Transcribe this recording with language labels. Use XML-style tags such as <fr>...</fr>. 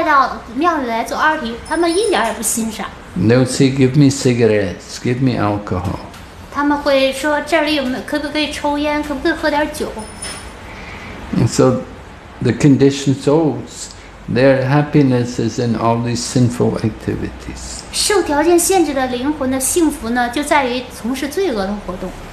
<zh>如果我们清晨呢，把他们带到庙里来做arti, 他们一点也不欣赏。</zh> <en>They'll say, "Give me cigarettes, give me alcohol."</en> <zh>他们会说，这里有没有，可不可以抽烟，可不可以喝点酒。</zh> <en>So, the conditioned souls, their happiness is in all these sinful activities.</en> <zh>受条件限制的灵魂的幸福呢，就在于从事罪恶的活动。</zh>